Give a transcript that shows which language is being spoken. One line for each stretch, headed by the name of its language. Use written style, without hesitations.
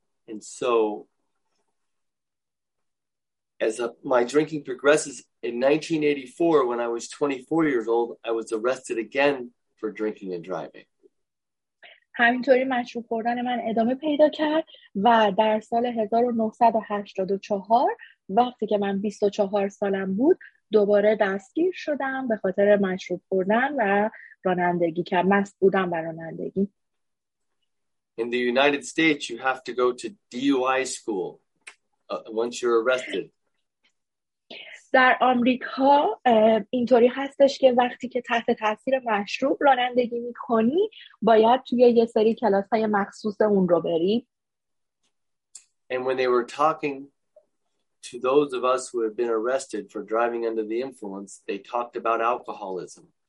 English: And so as my drinking progresses, in 1984, when I was 24 years old, I was arrested again for drinking and driving.
Persian: همینطوری مشروب خوردن من ادامه پیدا کرد و در سال 1984 وقتی که من 24 سالم بود دوباره دستگیر شدم به خاطر مشروب خوردن و رانندگی کردم. مست بودم و رانندگی.
English: In the United States, you have to go to DUI school once you're arrested.
Persian: در آمریکا اینطوری هستش که وقتی که تحت تاثیر مشروب رانندگی می‌کنی باید توی یه سری کلاس‌های مخصوص اون رو بری.
English: And when they were talking to those of us who have been arrested for driving under the influence, they talked about alcoholism.